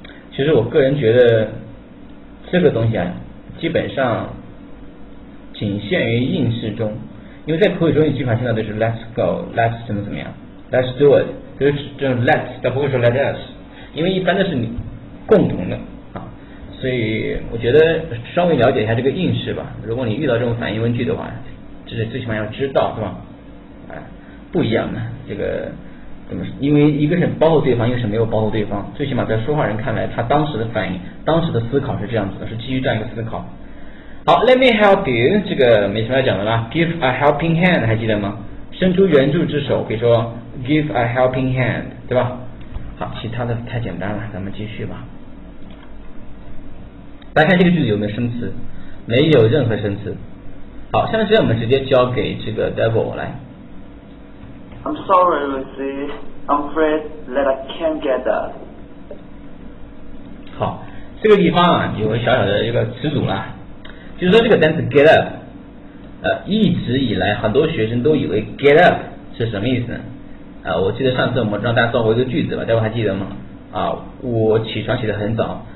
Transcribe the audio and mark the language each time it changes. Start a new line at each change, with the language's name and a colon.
Chinese: 其实我个人觉得这个东西啊基本上仅限于应试中，因为在口语中你基本上听到的是
English: let's go，
Chinese: let's 怎么怎么样，
English: let's do it，
Chinese: 就是这种 let's， 但不会说
English: let us，
Chinese: 因为一般的是你共同的，所以我觉得稍微了解一下这个应试吧，如果你遇到这种反疑问句的话，这是最起码要知道是吧，不一样的这个怎么，因为一个是包括对方，一个是没有包括对方，最起码在说话人看来他当时的反应当时的思考是这样子的，是基于这样一个思考。好，
English: let me help you，
Chinese: 这个没什么要讲的了，
English: give a helping hand
Chinese: 还记得吗？伸出援助之手，可以说
English: give a helping hand
Chinese: 对吧。好，其他的太简单了，咱们继续吧。大家看这个句子有没有生词？没有任何生词。好，下面时间我们直接交给这个 Devil 来。
English: I'm sorry, Lucy. I'm afraid that I can't get up.
Chinese: 好，这个地方啊有个小小的一个词组啦，就是说这个单词
English: get up，
Chinese: 一直以来很多学生都以为 get up 是什么意思呢？我记得上次我们让大家造过一个句子吧 ，Devil 还记得吗？我起床起得很早。